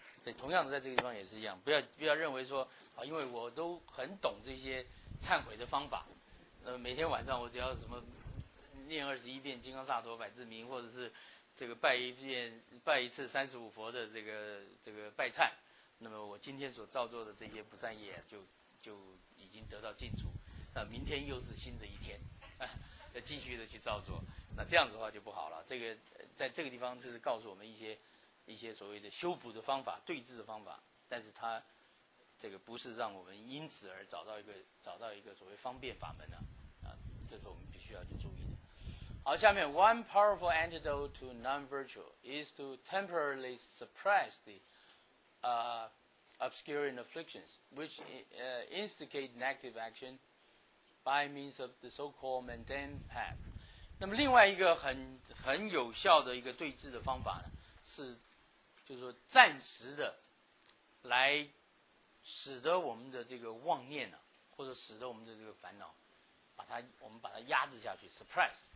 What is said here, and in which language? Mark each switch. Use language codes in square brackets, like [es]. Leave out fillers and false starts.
[zh] 对，同样的在这个地方也是一样，不要认为说啊，因为我都很懂这些忏悔的方法，每天晚上我只要什么念二十一遍金刚萨埵百字明，或者是这个拜一次三十五佛的这个拜忏，那么我今天所造作的这些不善业就已经得到净除，那明天又是新的一天，再继续的去造作，那这样子的话就不好了。这个在这个地方就是告诉我们一些所谓的修补的方法、对治的方法，但是它这个不是让我们因此而找到一个所谓方便法门啊，这是我们必须要去注意的。好，下面 [en] one powerful antidote to non-virtual is to temporarily suppress the obscuring afflictions which instigate negative action by means of the so-called mundane path。 [zh] 那么另外一个很有效的一个对治的方法呢，是就是说暂时的来使得我们的这个妄念啊，或者使得我们的这个烦恼，我们把它压制下去 suppress。